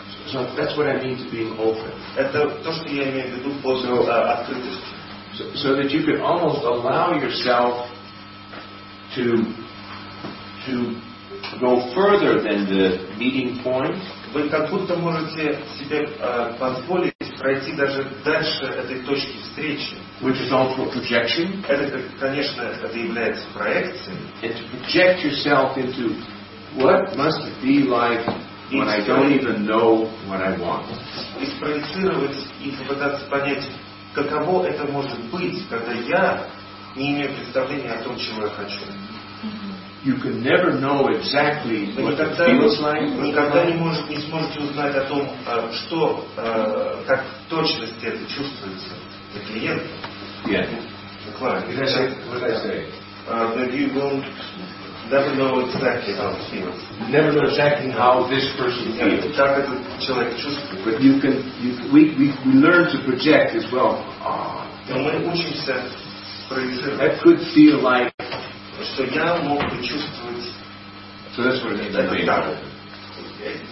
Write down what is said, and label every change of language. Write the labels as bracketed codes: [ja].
[en] So that's what I mean to being open. So that you can almost allow yourself to go further than the meeting point. [ru] Вы как будто можете себе позволить пройти даже дальше этой точки встречи. [en] Which is also a projection. [ru] Это, конечно, это является проекцией. [en] And to project yourself into what must it be like when I don't even know what I want. [ru] И спроецировать, и попытаться понять, каково это может быть, когда я не имею представления о том, чего я хочу. [en] You can never know exactly what it feels like. [ru] Вы никогда не сможете узнать о том, что как в точности это чувствуется для клиента. [en] Yeah. But you won't never know exactly how it feels. Never know exactly how this person feels. [ru] Как этот человек чувствует. [en] But we learn to project as well. [ru] Мы учимся проецировать. [en] That could feel like. [ru] Что я мог бы чувствовать. [en] So that's what it means.